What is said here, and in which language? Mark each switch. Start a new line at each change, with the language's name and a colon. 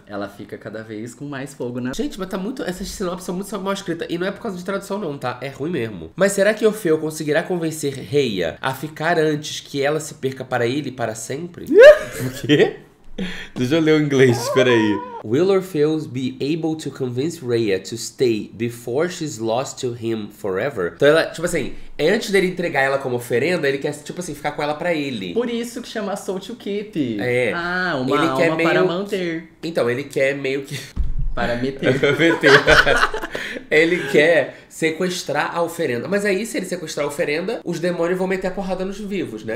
Portuguese: Ela fica cada vez com mais fogo, né? Gente, mas tá muito... Essas sinopses são muito mal escritas. E não é por causa de tradução, não, tá? É ruim mesmo. Mas será que Orfeu conseguirá convencer Reia a ficar antes que ela se perca para ele para sempre? O quê? Deixa eu ler o inglês, peraí.
English: Will Orfeu be able to convince Rhea to stay before she's lost to him forever?
Portuguese: Então ela, tipo assim, antes dele entregar ela como oferenda, ele quer, tipo assim, ficar com ela pra ele. Por isso que chama Soul to Keep. É. Ah, uma ele alma meio... para manter. Então, ele quer meio que... Para meter. Ele quer sequestrar a oferenda. Mas aí, se ele sequestrar a oferenda, os demônios vão meter a porrada nos vivos, né?